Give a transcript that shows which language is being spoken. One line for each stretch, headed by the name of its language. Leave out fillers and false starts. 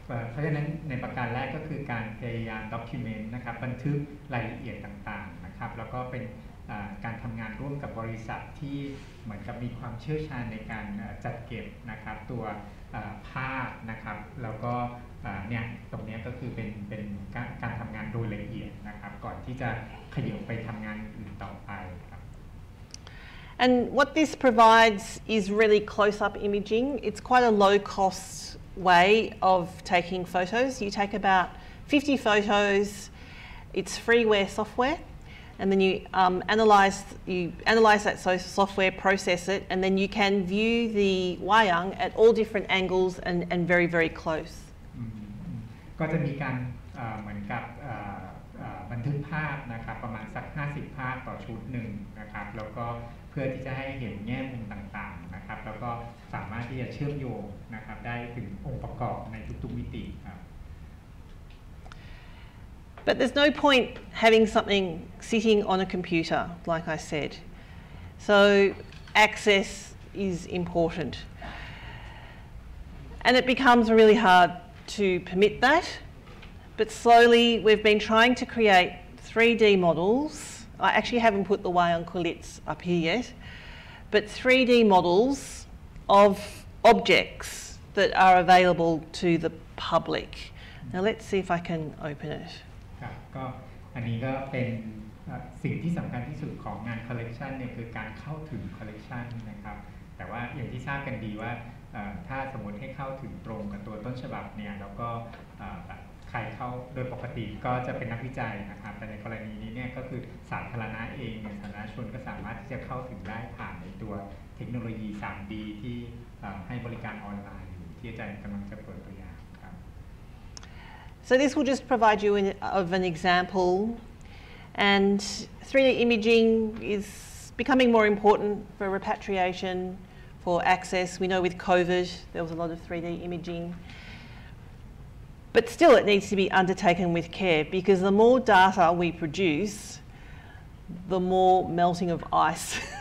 Thai: เพราะฉะนั้นในประการแรกก็คือการพยายาม document นะครับบันทึกรายละเอียดต่างๆนะครับแล้วก็เป็นการทำงานร่วมกับบริษัทที่เหมือนกับมีความเชี่ยวชาญในการจัดเก็บนะครับตัวภาพนะครับแล้วก็เนี่ยตรงนี้ก็คือเป็นการทำงานโดยละเอียดนะครับก่อนที่จะขยับไปทำงานอื่นต่อไปครับ
English: And what this provides is really close-up imaging. It's quite a low-cost way of taking photos. You take about 50 photos. It's freeware software. And then you analyze that software, process it, and then you can view the wayang at all different angles and very, very close.
Thai: ก็จะมีการเหมือนกับบันทึกภาพนะครับประมาณสัก50ภาพต่อชุดหนึ่งนะครับแล้วก็เพื่อที่จะให้เห็นแง่มุมต่างๆนะครับแล้วก็สามารถที่จะเชื่อมโยงนะครับได้ถึงองค์ประกอบในทุกๆมิติครับ
English: But there's no point having something sitting on a computer, like I said. So access is important. And it becomes really hard to permit that. But slowly we've been trying to create 3D models. I actually haven't put the wayang kulits up here yet. But 3D models of objects that are available to the public. Now let's see if I can open it.
Thai: ก็อันนี้ก็เป็นสิ่งที่สำคัญที่สุดของงานคอลเลกชันเนี่ยคือการเข้าถึงคอลเลกชันนะครับแต่ว่าอย่างที่ทราบกันดีว่าถ้าสมมติให้เข้าถึงตรงกับตัวต้นฉบับเนี่ยแล้วก็ใครเข้าโดยปกติก็จะเป็นนักวิจัยนะครับแต่ในกรณีนี้เนี่ยก็คือสาธารณะเองสาธารณชนก็สามารถที่จะเข้าถึงได้ผ่านในตัวเทคโนโลยี 3D ที่ให้บริการออนไลน์ที่อาจารย์กำลังจะเปิด
English: So this will just provide you of an example. And 3D imaging is becoming more important for repatriation, for access. We know with COVID, there was a lot of 3D imaging. But still, it needs to be undertaken with care because the more data we produce, the more melting of ice.